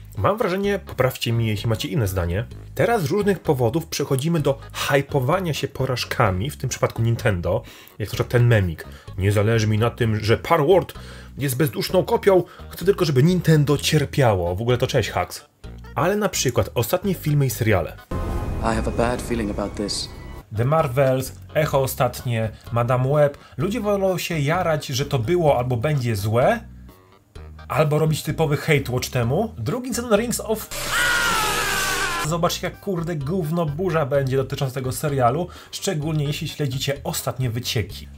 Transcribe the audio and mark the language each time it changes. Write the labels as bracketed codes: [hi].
[pl] Mam wrażenie, poprawcie mi, jeśli macie inne zdanie, teraz z różnych powodów przechodzimy do hajpowania się porażkami, w tym przypadku Nintendo, jak to ten memik. Nie zależy mi na tym, że Parworld jest bezduszną kopią, chcę tylko, żeby Nintendo cierpiało. W ogóle to cześć, Hux. Ale na przykład ostatnie filmy i seriale. [en] I have a bad feeling about this. [pl] The Marvels, Echo Ostatnie, Madame Web. Ludzie wolą się jarać, że to było albo będzie złe, albo robić typowy hate watch temu. Drugi Sen Rings of... Zobaczcie, jak kurde gówno burza będzie dotycząc tego serialu, szczególnie jeśli śledzicie ostatnie wycieki.